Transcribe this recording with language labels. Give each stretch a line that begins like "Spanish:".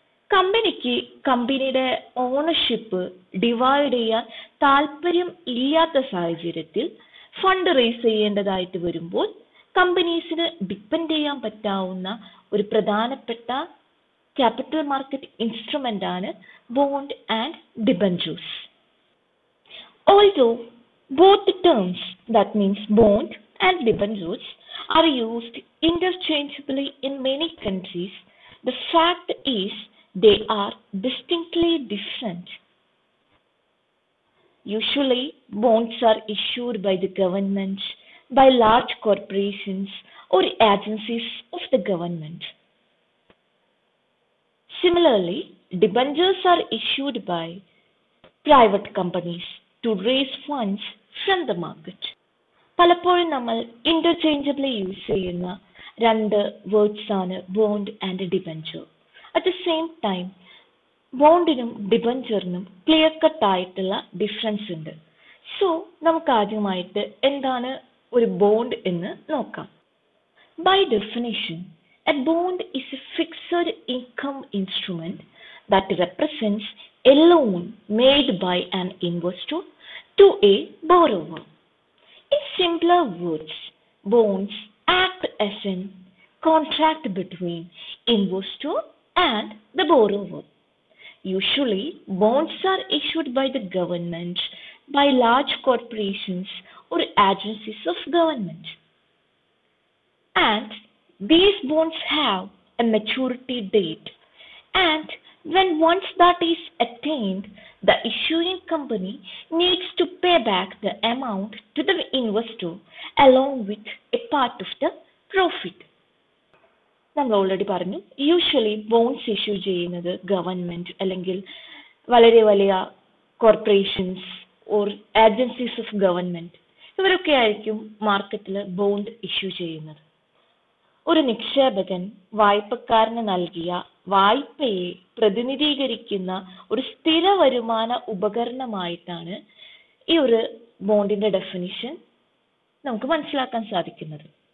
Malayalam: കമ്പനിക്ക് കമ്പനിയുടെ ownership divide ചെയ്യാൻ താല്പര്യം ഇല്ലാത്ത സാഹചര്യത്തിൽ ഫണ്ട് റേസ് ചെയ്യേണ്ടതായിട്ട് വരുമ്പോൾ കമ്പനീസിന് ഡിപ്പെൻഡ് ചെയ്യാൻ പറ്റാവുന്ന ഒരു പ്രധാനപ്പെട്ട ക്യാപിറ്റൽ മാർക്കറ്റ് ഇൻസ്ട്രുമെൻ്റ് ആണ് bond and debentures.
English: Although both the terms, that means bond and debentures, are used interchangeably in many countries, the fact is they are distinctly different. Usually, bonds are issued by the government, by large corporations or agencies of the government. Similarly, debentures are issued by private companies to raise funds from the market.
Malayalam: പലപ്പോഴും നമ്മൾ interchangeably use ചെയ്യുന്ന രണ്ട് words ആണ് bond and debenture.
English: at the same time
Malayalam: ബോണ്ടിനും ഡിബഞ്ചറിനും clear cut ആയിട്ടുള്ള difference ഉണ്ട്. So നമുക്ക് ആദ്യമായിട്ട് എന്താണ് ഒരു ബോണ്ട് എന്ന് നോക്കാം.
English: By definition, a bond is a fixed income instrument that represents a loan made by an investor to a borrower. In simpler words, bonds act as a contract between investor and the borrower. Usually, bonds are issued by the government, by large corporations or agencies of government. And these bonds have a maturity date. And when once that is attained, the issuing company needs to pay back the amount to the investor along with a part of the profit.
Malayalam: നമ്മൾ already പറഞ്ഞു, usually bonds issue ചെയ്യുന്നത് government അല്ലെങ്കിൽ വളരെ വലിയ corporations or agencies of government ഇവരൊക്കെ ആയിരിക്കും മാർക്കറ്റിൽ bond issue ചെയ്യുന്നത്. ഒരു നിക്ഷേപകൻ വായ്പക്കാരന് നൽകിയ വായ്പയെ പ്രതിനിധീകരിക്കുന്ന ഒരു സ്ഥിര വരുമാന ഉപകരണമായിട്ടാണ് ഈ ഒരു ബോണ്ടിന്റെ ഡെഫിനിഷൻ നമുക്ക് മനസ്സിലാക്കാൻ സാധിക്കുന്നത്.